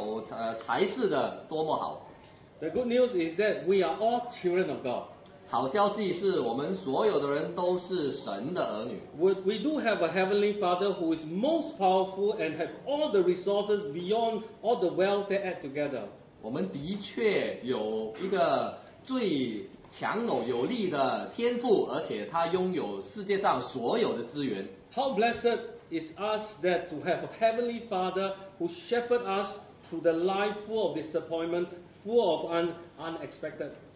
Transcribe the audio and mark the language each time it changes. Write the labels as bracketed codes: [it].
[zh] 我们许多的人生长在我们的家庭当中，不是非常的富裕。有些时候我们会梦想，要是我的父亲是最有权势、最有财势的，多么好！ [en] The good news is that we are all children of God. [zh] 好消息是我们所有的人都是神的儿女。 [en] We do have a heavenly Father who is most powerful and has all the resources beyond all the wealth they add together. [zh] 我们的确有一个最强有有力的天赋，而且他拥有世界上所有的资源。 [en] How blessed is us that to have a heavenly Father who shepherds us through the life full of disappointment, full of unexpected.